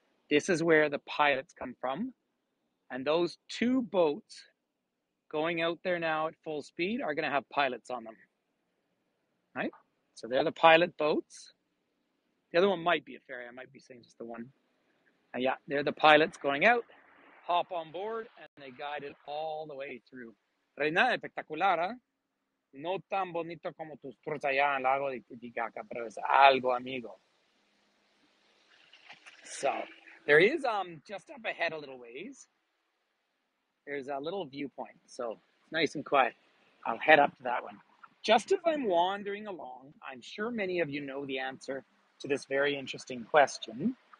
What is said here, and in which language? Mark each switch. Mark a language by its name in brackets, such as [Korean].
[English] This is where the pilots come from. And those two boats going out there now at full speed are going to have pilots on them. Right? So they're the pilot boats. The other one might be a ferry. I might be saying just the one. Yeah, they're the pilots going out, hop on board, and they guide it all the way through. [Spanish] Reina espectacular, ¿eh? No tan bonito como tus tours allá en el lago de Titicaca, pero es algo, amigo. [English] So, there is just up ahead a little ways. There's a little viewpoint, so nice and quiet. I'll head up to that one. Just as I'm wandering along, I'm sure many of you know the answer to this very interesting question.